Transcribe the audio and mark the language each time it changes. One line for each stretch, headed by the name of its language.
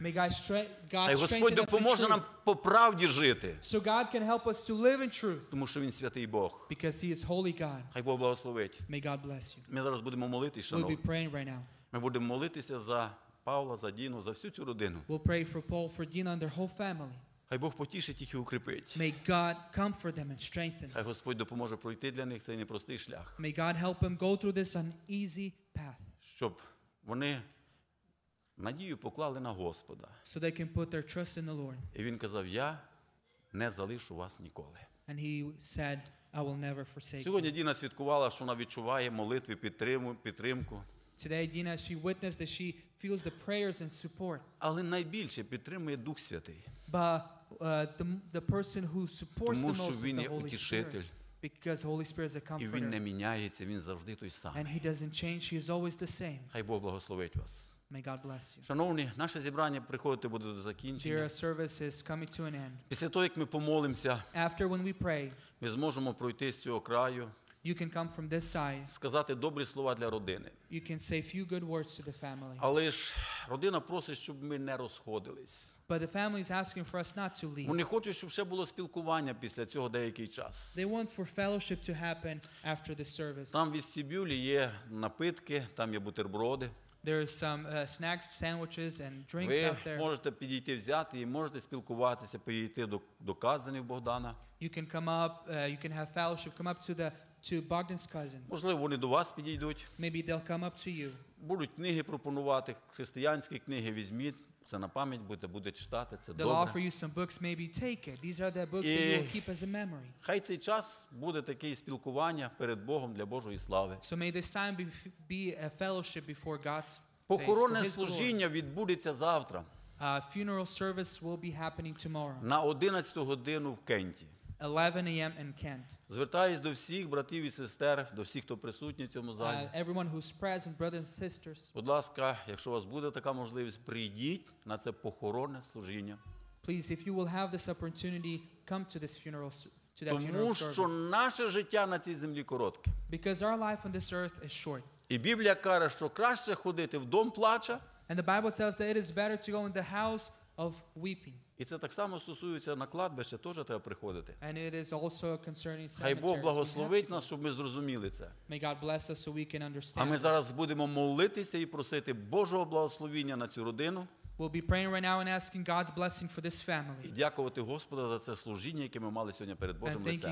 English: May God strengthen us.
Ukrainian: Хай Господь допоможе нам по правді жити.
English: So God can help us to live in truth.
Ukrainian: Тому що Він святий Бог.
English: Because He is holy God.
Ukrainian: Хай Бог благословить.
English: May God bless you.
Ukrainian: Ми зараз будемо молитися, шановні.
English: We'll be praying right now.
Ukrainian: Ми будемо молитися за Павла, за Діну, за всю цю родину.
English: We'll pray for Paul, for Dina, and their whole family.
Ukrainian: Хай Бог потішить їх і укріпить.
English: May God comfort them and strengthen them.
Ukrainian: Хай Господь допоможе пройти для них цей непростий шлях.
English: May God help them go through this uneasy path.
Ukrainian: Щоб вони надію поклали на Господа.
English: So they can put their trust in the Lord.
Ukrainian: І він казав: "Я не залишу вас ніколи."
English: And he said, "I will never forsake you."
Ukrainian: Сьогодні Діна свідкувала, що вона відчуває молитви, підтримку.
English: Today Dina, she witnessed that she feels the prayers and support.
Ukrainian: Але найбільше підтримує Дух Святий.
English: But the person who supports
Ukrainian: Тому,
English: the most
Ukrainian: він
English: is the Holy
Ukrainian: утішитель.
English: Spirit. Because Holy Spirit is a comforter.
Ukrainian: І він не міняється, він завжди той самий.
English: And he doesn't change, he is always the same.
Ukrainian: Хай Бог благословить вас.
English: May God bless you.
Ukrainian: Шановні, наше зібрання приходити буде до закінчення.
English: Dear, our service is coming to an end.
Ukrainian: Після того, як ми помолимося,
English: After when we pray,
Ukrainian: ми зможемо пройти з цього краю.
English: You can come from this side.
Ukrainian: Сказати добрі слова для родини.
English: You can say a few good words to the family.
Ukrainian: Але ж родина просить, щоб ми не розходились.
English: But the family is asking for us not to leave.
Ukrainian: Вони хочуть, щоб ще було спілкування після цього деякий час.
English: They want for fellowship to happen after the service.
Ukrainian: Там в вестибюлі є напитки, там є бутерброди.
English: There are some snacks, sandwiches and drinks
Ukrainian: ви
English: out there.
Ukrainian: Ви можете підійти взяти і можете спілкуватися, підійти до казанів Богдана.
English: You can come up, you can have fellowship, come up to the to Bogdan's cousins.
Ukrainian: Можливо, вони до вас підійдуть.
English: Maybe they'll come up to you.
Ukrainian: Будуть книги пропонувати, християнські книги візьміть, це на пам'ять буде читати, це добре.
English: They'll offer you some books, maybe take it. These are the books that you'll keep as a memory.
Ukrainian: Хай цей час буде таке спілкування перед Богом для Божої слави.
English: So may this time be a fellowship before God's face.
Ukrainian: Похоронне служіння відбудеться завтра.
English: A funeral service will be happening tomorrow.
Ukrainian: На 11 годину в Кенті.
English: 11 a.m. in Kent.
Ukrainian: Звертаюсь до всіх братів і сестер, до всіх, хто присутній в цьому залі.
English: Everyone who's present, brothers and sisters.
Ukrainian: Будь ласка, якщо у вас буде така можливість, прийдіть на це похоронне служіння.
English: Please, if you will have this opportunity, come to this funeral, to that funeral service.
Ukrainian: Тому що наше життя на цій землі коротке.
English: Because our life on this earth is short.
Ukrainian: І Біблія каже, що краще ходити в дом плача.
English: And the Bible tells that it is better to go in the house of weeping.
Ukrainian: І це так само стосується на кладбище, теж треба приходити.
English: And it is also concerning cemeteries.
Ukrainian: Хай Бог благословить нас, щоб ми зрозуміли це.
English: May God bless us so we can understand.
Ukrainian: А ми зараз будемо молитися і просити Божого благословення на цю родину.
English: We'll be praying right now and asking God's blessing for this family.
Ukrainian: І дякувати Господу за це служіння, яке ми мали сьогодні перед Божим лицем.